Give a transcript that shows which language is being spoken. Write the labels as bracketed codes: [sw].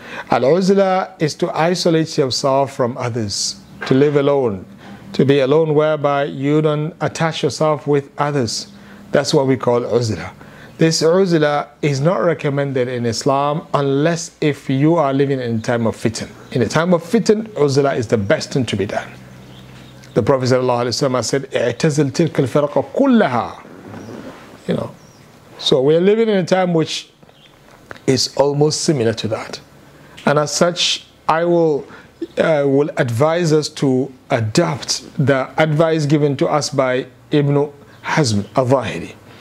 [en] Al-uzla is to isolate yourself from others, to live alone, to be alone whereby you don't attach yourself with others. That's what we call uzla. This uzla is not recommended in Islam unless if you are living in a time of fitan. In a time of fitan, uzla is the best thing to be done. The Prophet said, [ar] اعتزل تلك الفرقة كلها. [en] You know, so we are living in a time which is almost similar to that. And as such, I will advise us to adopt the advice given to us by Ibn Hazm al-Zahiri.